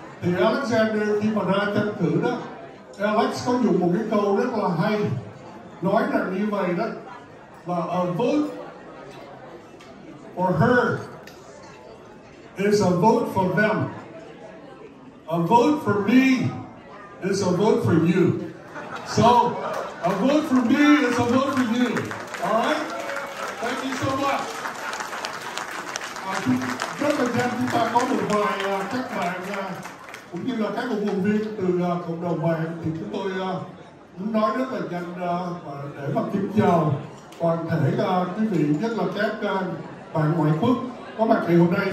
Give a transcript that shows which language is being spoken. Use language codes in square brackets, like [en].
[vi] Thì Alexander khi mà ra tranh cử đó, Alex có dùng một cái câu rất là hay, nói rằng như vậy đó là [en] a vote for her is a vote for them, a vote for me is a vote for you. So, a vote for me is a vote for you. All right? Thank you so much. [vi] Rất là nhanh, chúng ta có một vài các bạn cũng như là các cộng đồng viên từ cộng đồng mạng, thì chúng tôi muốn nói rất là nhanh để mà kính chào toàn thể quý vị, nhất là các bạn ngoại quốc có mặt ngày hôm nay.